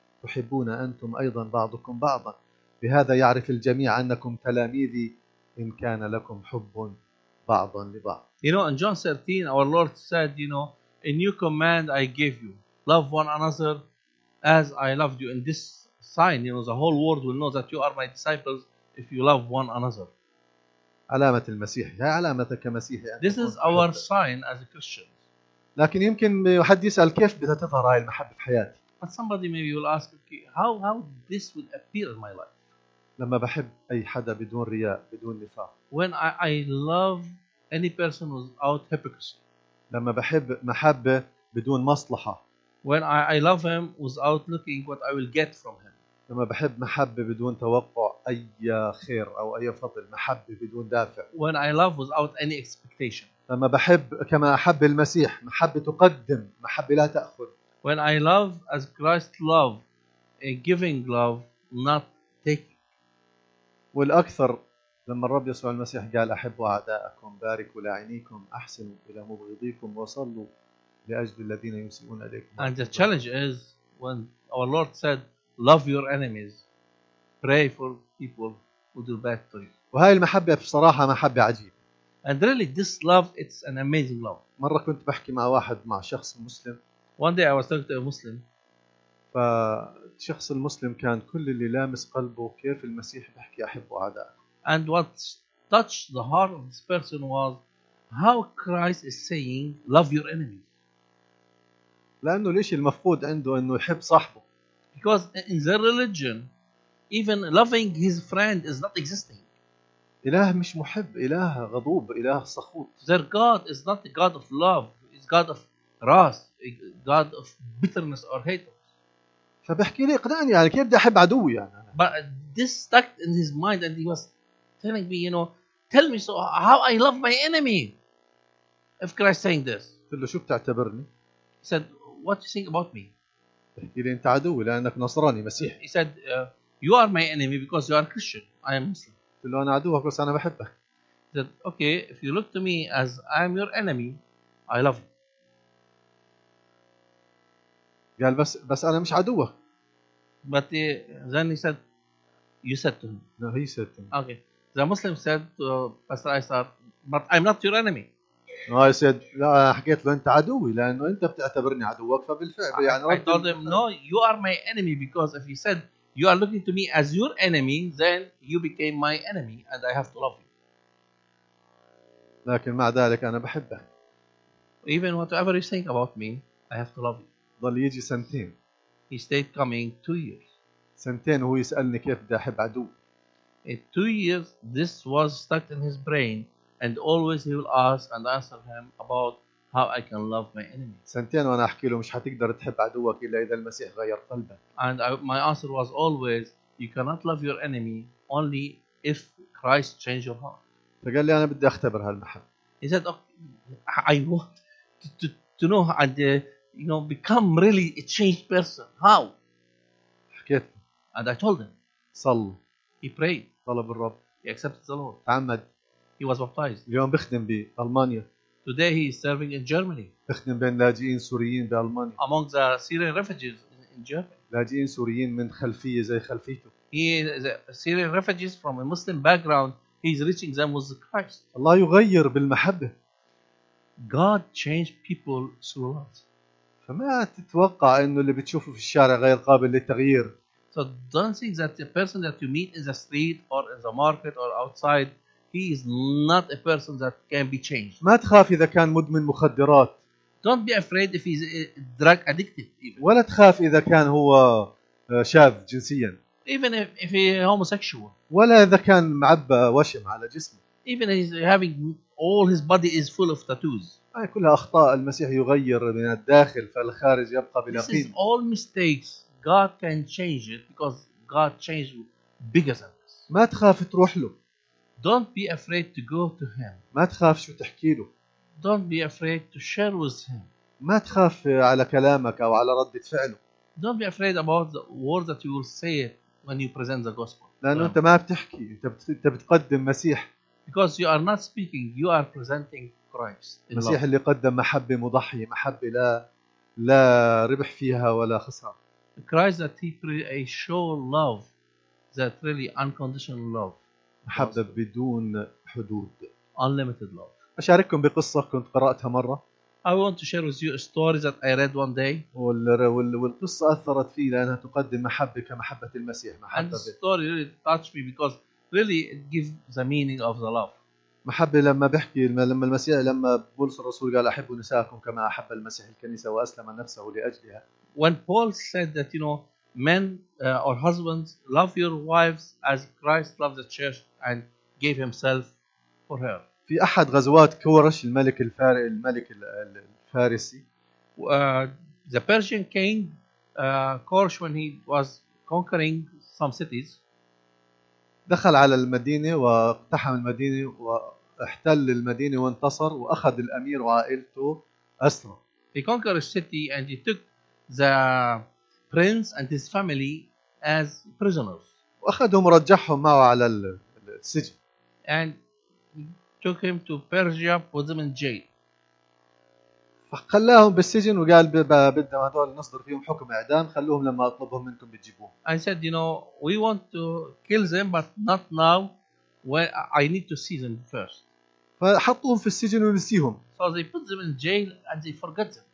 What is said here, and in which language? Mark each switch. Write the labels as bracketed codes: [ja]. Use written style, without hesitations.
[ar] تحبون أنتم أيضا بعضكم بعضا. بهذا يعرف الجميع أنكم تلاميذي إن كان لكم حب بعضا لبعض. [en] You know, in John 13, our Lord said, you know, a new command I give you. Love one another as I loved you. In this sign, you know, the whole world will know that you are my disciples if you love one another. [ar] علامة المسيح. هي علامتك كمسيحي. [en] This is our sign as a Christian. [ar] لكن يمكن حد يسأل كيف بتتظهر هاي المحبة في حياتي. [en] But somebody maybe will ask, okay, how this will appear in my life? [ar] لما بحب أي حدا بدون رياء بدون نفاق. [en] When I love any person without hypocrisy. [ar] لما بحب محبة بدون مصلحة. [en] When I love him without looking what I will get from him. [ar] لما بحب محبة بدون توقع أي خير أو أي فضل. محبة بدون دافع. [en] When I love without any expectation. [ar] لما بحب كما أحب المسيح. محبة تقدم محبة لا تأخذ. [en] When I love as Christ loved, a giving love, not taking. [ar] والأكثر لما الرب يسوع المسيح قال أحبوا أعداءكم باركوا لعينيكم أحسنوا إلى مبغضيكم وصلوا لأجل الذين يسيئون إليكم. [en] And the challenge is when our Lord said love your enemies, pray for people who do bad to you. [ar] وهاي المحبة بصراحة محبة عجيبة. [en] And really this love it's an amazing love. [ar] مرة كنت بحكي مع واحد مع شخص مسلم. [en] One day I was talking to a Muslim. [ar] فالشخص المسلم كان كل اللي لامس قلبه كيف المسيح بحكي أحب أعدائه. [en] And what touched the heart of this person was how Christ is saying love your enemies. [ar] لأنه ليش المفقود عنده إنه يحب صاحبه. [en] Because in their religion, even loving his friend is not existing. [ar] إله مش محب، إله غضوب، إله صخوت. [en] Their God is not a God of love. It's God of wrath, a God of bitterness or hate. [ar] فبحكي لي اقنعني يعني كيف بدي احب عدوي يعني. [en] But this stuck in his mind and he was telling me, you know, tell me so how I love my enemy if Christ saying this. [ar] قلت له شو بتعتبرني؟ [en] He said, what do you think about me? [ar] بحكي لي انت عدوي لانك نصراني مسيحي. [en] He said, you are my enemy because you are Christian. I am Muslim. [ar] قلت له انا عدوك بس انا بحبك. [en] He said, okay, if you look to me as I am your enemy, I love you. [ar] قال بس أنا مش عدوه. [en] But then he said, you said to him. No, he said to him. Okay. The Muslim said to Pastor Aysar, but I'm not your enemy. No, I said, [ar] لا حكيت له أنت عدوي لأنه أنت بتعتبرني عدوك فبالفعل يعني. [en] I told him, no, you are my enemy because if he said you are looking to me as your enemy, then you became my enemy and I have to love you. [ar] لكن مع ذلك أنا بحبه. [en] Even whatever you think about me, I have to love you. [ar] ظل يجي سنتين. [en] He stayed coming 2 years. [ar] سنتين هو يسألني كيف بدي أحب عدو. [en] In 2 years, this was stuck in his brain, and always he will ask and answer him about how I can love my enemy. [ar] سنتين وأنا أحكي له مش هتقدر تحب عدوك إلا إذا المسيح غير قلبك. [en] And my answer was always, you cannot love your enemy only if Christ changed your heart. [ar] فقال لي أنا بدي أختبر هالمحبة. [en] He said, okay, I want to know and you know become really a changed person. How? [ar] حكيت. [en] And I told him. [ar] صل. [en] He prayed. [ar] طلب الرب. [en] He accepted the Lord. [ar] تعمد. [en] He was baptized. [ar] اليوم بخدم بألمانيا. [en] Today he is serving in Germany. [ar] بخدم بين لاجئين سوريين بألمانيا. [en] Among the Syrian refugees in Germany. [ar] لاجئين سوريين من خلفية زي خلفيته. [en] He is a Syrian refugees from a Muslim background. He is reaching them with Christ. [ar] الله يغير بالمحبة. [en] God changed people through love. [ar] فما تتوقع إنه اللي بتشوفه في الشارع غير قابل للتغيير. [en] So don't think that the person that you meet in the street or in the market or outside, he is not a person that can be changed. [ar] ما تخاف إذا كان مدمن مخدرات. [en] Don't be afraid if he's drug addicted. [ar] ولا تخاف إذا كان هو شاذ جنسياً. [en] Even if he homosexual. [ar] ولا إذا كان معبى وشم على جسمه. [en] Even if he's having all his body is full of tattoos. [ar] هاي كلها أخطاء المسيح يغير من الداخل فالخارج يبقى بلا قيمة. [en] This is all mistakes. God can change it because God changed bigger than this. [ar] ما تخاف تروح له. [en] Don't be afraid to go to him. [ar] ما تخاف شو تحكي له. [en] Don't be afraid to share with him. [ar] ما تخاف على كلامك أو على ردة فعله. [en] Don't be afraid about the words that you will say when you present the gospel. [ar] لأنه أنت ما بتحكي. أنت بتقدم مسيح. [en] Because you are not speaking, you are presenting Christ. [ar] المسيح اللي قدم محبة مضحية، محبة لا ربح فيها ولا خسارة. [en] Christ that he show love that really unconditional love. [ar] محبة بدون حدود. [en] Unlimited love. [ar] أشارككم بقصة كنت قرأتها مرة. [en] I want to share with you a story that I read one day. [ar] والقصة أثرت فيه لأنها تقدم محبة كمحبة المسيح. [en] And the story really touched me because really it gives the meaning of the love. [ar] محبة لما بحكي لما المسيح لما بولس الرسول قال أحب نساءكم كما أحب المسيح الكنيسة وأسلم نفسه لأجلها. [en] When Paul said that, you know, men or husbands, love your wives as Christ loved the church and gave himself for her. [ar] في أحد غزوات كورش الملك الفارس الفارسي. [en] The Persian king Koresh, when he was conquering some cities, [ar] دخل على المدينة واقتحم المدينة واحتل المدينة وانتصر وأخذ الأمير وعائلته أسرى. [en] He conquered a city and he took the prince and his family as prisoners. [ar] وأخذهم ورجعهم معه على السجن. [en] And took him to Persia, put them in jail. [ar] فخلاهم بالسجن وقال بدنا هذول نصدر فيهم حكم إعدام خلوهم لما أطلبهم منكم بتجيبوهم. [en] I said, you know, we want to kill them, but not now. Where I need to see them first. [ar] فحطوهم في السجن ونسيهم. [en] So they put them in jail and they forgot them.